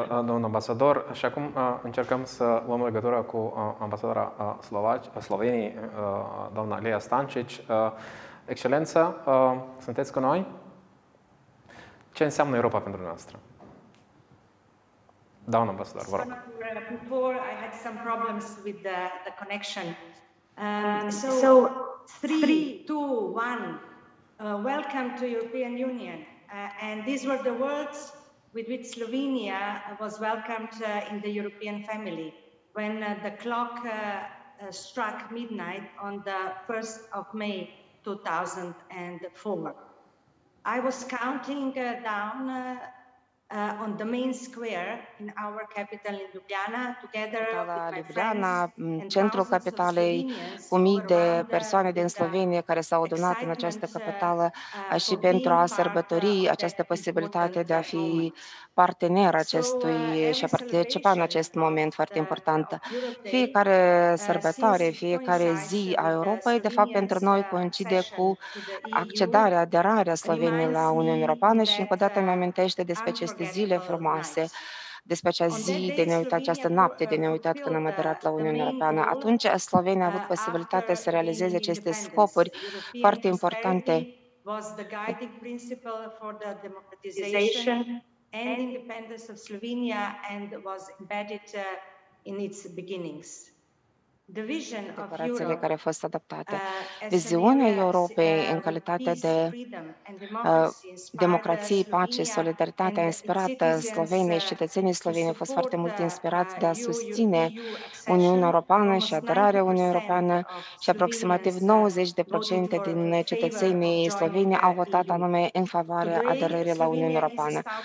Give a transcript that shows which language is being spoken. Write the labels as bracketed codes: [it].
[ro] Domnul ambasador, și acum încercăm să luăm legătura cu ambasadora Sloveniei, doamna Lea Stancic. Excelență, sunteți cu noi? Ce înseamnă Europa pentru noastră? Doamna ambasador, vă rog. [en] Before I had some problems with the connection. So 3, 2, 1. Welcome to European Union. And these were the words with which Slovenia was welcomed in the European family when the clock struck midnight on the 1st of May 2004. I was counting down on the main square in our capital in Ljubljana, together with my [ro] Ljubljana, centrul capitalei, cu mii de persoane din Slovenia care s-au adunat în această capitală și pentru a sărbători această posibilitate de a fi partener acestui și a participa în acest moment foarte important. Fiecare sărbătoare, fiecare zi a Europei, de fapt, pentru noi coincide cu accedarea, aderarea Sloveniei la Uniunea Europeană și încă o dată mi-amintește despre aceste zile frumoase, despre acea zi de neuitat, această noapte de neuitat când am aderat la Uniunea Europeană. Atunci Slovenia a avut posibilitatea să realizeze aceste scopuri foarte importante. [en] Was the guiding principle for the democratization and independence of Slovenia and was embedded in its beginnings. The vision of Europe, [ro] care a fost adaptate. Viziunea Europei în calitate de democrație, pace, solidaritate a inspirat Slovenia și cetățenii Sloveniei au fost foarte mult inspirați de a susține Uniunea Europeană și aderarea Uniunii Europeană și aproximativ 90% din cetățenii Sloveniei au votat anume în favoarea aderării la Uniunea Europeană.